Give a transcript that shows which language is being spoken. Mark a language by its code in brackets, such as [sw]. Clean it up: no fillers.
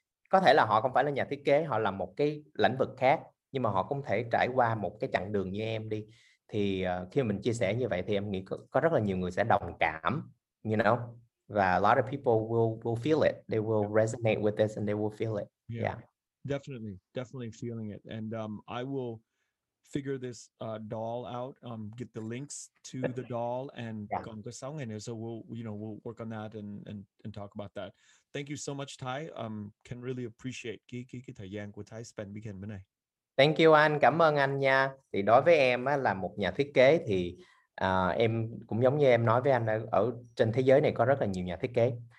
[vi] Có thể là họ không phải là nhà thiết kế, họ làm một cái lĩnh vực khác, nhưng mà họ cũng thể trải qua một cái chặng đường như em đi. Thì khi mình chia sẻ như vậy thì em nghĩ có rất là nhiều người sẽ đồng cảm, [en] you know, [vi] và [en] a lot of people will feel it, [vi] they will resonate with this and they will feel it. [en] Definitely feeling it, and I will figure this doll out, get the links to the doll and [vi] còn cái sóng này, [en] so we'll work on that and talk about that. Thank you so much, Thái. Can really appreciate [vi] cái thời gian của Thái [en] spend weekend [vi] bữa nay. [en] Thank you [vi] anh, cảm ơn anh nha. Thì đối với em á, là một nhà thiết kế thì em cũng giống như em nói với anh, ở trên thế giới này có rất là nhiều nhà thiết kế.